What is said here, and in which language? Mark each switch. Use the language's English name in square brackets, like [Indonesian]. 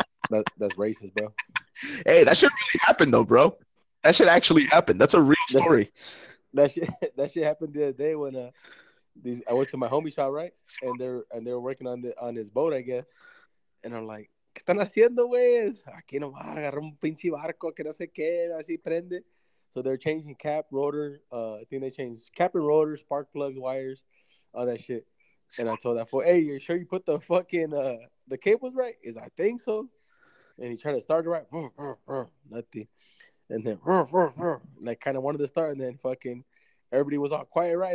[English] man. That's racist, bro. Hey, that shit really happened, though, bro. That shit actually happened. That's a real story. That shit happened the other day when I went to my homie shop, right? And they were working on his boat, I guess. And I'm like, [Spanish] ¿qué están haciendo, güey? Aquí no va a agarrar un pinche barco que no sé qué, así prende. [English] So they're changing cap, rotor. I think they changed cap and rotor, spark plugs, wires, all that shit. And I told that fool, hey, you sure you put the cables right? He's like, I think so. And he tried to start it right, burr, burr, burr, nothing. And then burr, burr, burr, like kind of wanted to start, and then fucking everybody was all quiet, right?